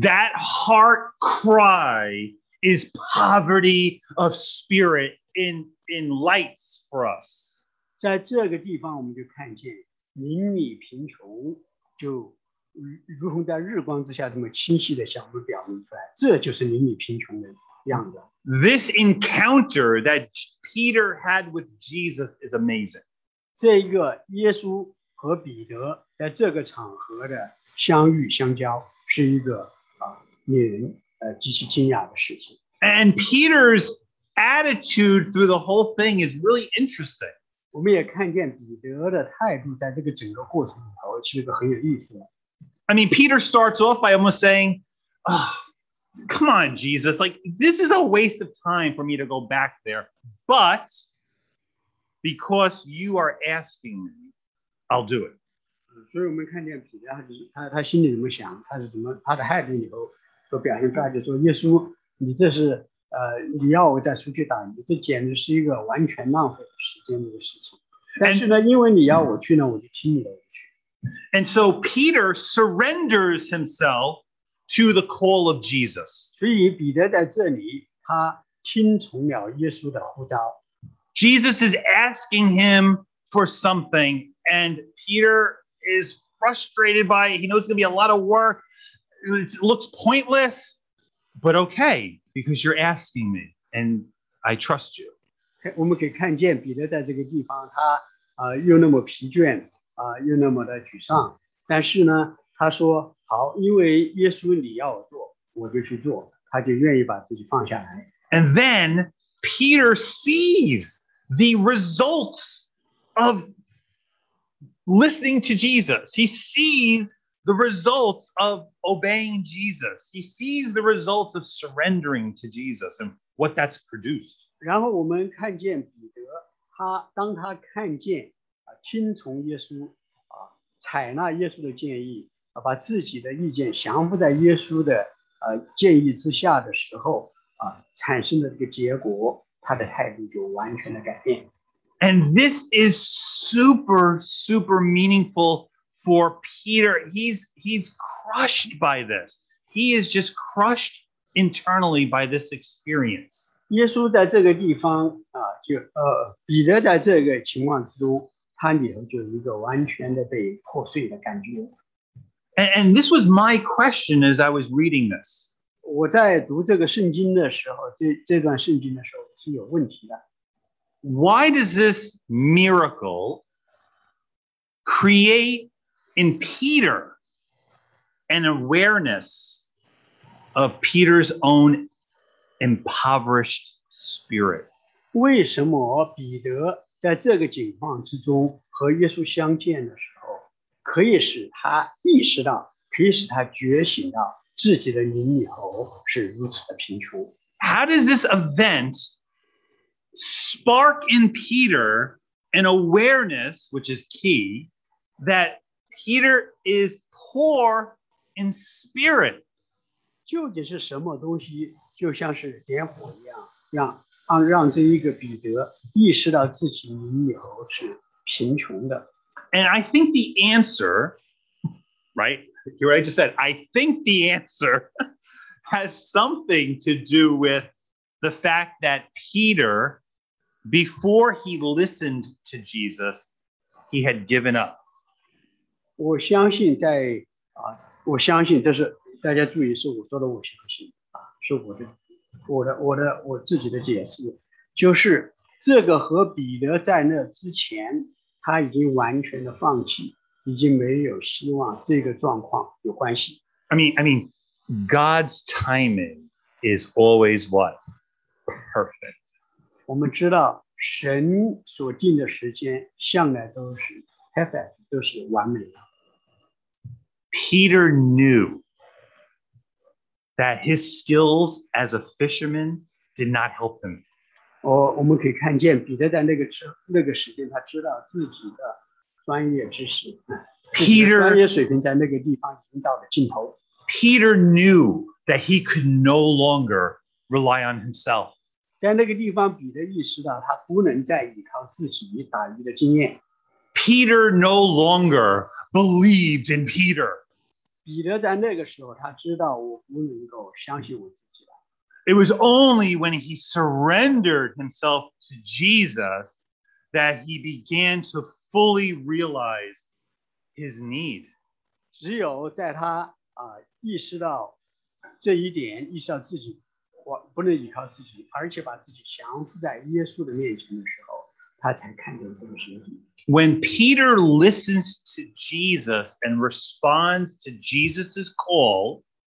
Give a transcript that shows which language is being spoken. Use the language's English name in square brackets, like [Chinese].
[English] That heart cry is poverty of spirit in lights for us. [Chinese] 在这个地方，我们就看见，邻里贫穷，就如同在日光之下这么清晰的向我们表明出来，这就是邻里贫穷的。 [English] This encounter that Peter had with Jesus is amazing. [Chinese] 这个耶稣和彼得在这个场合的相遇相交是一个令人极其惊讶的事情。 [English] And Peter's attitude through the whole thing is really interesting. [Chinese] 我们也看见彼得的态度在这个整个过程里头是一个很有意思的。 [English] I mean, Peter starts off by almost saying, oh, come on, Jesus, like, this is a waste of time for me to go back there. But because you are asking me, I'll do it. [Chinese] 所以我们看见彼得他心里怎么想，他是怎么，他的态度里头所表现出来，就说耶稣，你这是你要我再出去打鱼，这简直是一个完全浪费时间的事情。但是呢，因为你要我去呢，我就听你的。 [English] And so Peter surrenders himself to the call of Jesus. [Chinese] 所以彼得在这里，他听从了耶稣的呼召。 [English] Jesus is asking him for something, and Peter is frustrated by it. He knows it's going to be a lot of work. It looks pointless, but okay, because you're asking me, and I trust you. [Chinese] 我们可以看见彼得在这个地方，他又那么疲倦。又那么的沮丧，但是呢，他说好，因为耶稣你要我做，我就去做，他就愿意把自己放下来。 [English] And then Peter sees the results of listening to Jesus. He sees the results of obeying Jesus. He sees the results of surrendering to Jesus and what that's produced. [Chinese] 然后我们看见彼得，他当他看见。听从耶稣采纳耶稣的建议把自己的意见降服在耶稣的建议之下的时候产生的这个结果他的态度就完全的改变。 [English] And this is super, super meaningful for Peter. He's crushed by this. He is just crushed internally by this experience. [Chinese] 耶稣在这个地方彼得在这个情况之中他里头就一个完全的被破碎的感觉。 [English] And this was my question as I was reading this. [Chinese] 我在读这个圣经的时候，这段圣经的时候是有问题的。 [English] Why does this miracle create in Peter an awareness of Peter's own impoverished spirit? [Chinese] 为什么彼得在这个情况之中和耶稣相见的时候可以使他意识到可以使他觉醒到自己的灵里头是如此的贫穷。 [English] How does this event spark in Peter an awareness, which is key, that Peter is poor in spirit? [Chinese] 究竟是什么东西就像是点火一样让这一个彼得意识到自己灵里头是贫穷的。 [English] And I think the answer, right? You already said, I think the answer has something to do with the fact that Peter, before he listened to Jesus, he had given up. [Chinese] 我相信在我相信这是大家注意是我说的我相信是我的。我自己的解释就是这个和彼得在那之前他已经完全的放弃已经没有希望这个状况有关系。 [English] I mean, God's timing is always what? Perfect. [Chinese] 我们知道神所定的时间向来都是 perfect, 都是完美的。 [English] Peter knew. That his skills as a fisherman did not help him. [Chinese] 我们可以看见彼得在那个时间，他知道自己的专业知识， [English] Peter [Chinese] 专业水平在那个地方已经到了尽头。 [English] Peter knew that he could no longer rely on himself. [Chinese] 在那个地方，彼得意识到他不能再依靠自己打鱼的经验。 [English] Peter no longer believed in Peter. [Chinese] 彼得在那个时候他知道我不能够相信我自己了。 [English] It was only when he surrendered himself to Jesus that he began to fully realize his need. [Chinese] 只有在他意识到这一点意识到自己不能依靠自己而且把自己降服在耶稣的面前的时候他才看见这个身体。 [English] When Peter listens to Jesus and responds to Jesus' call,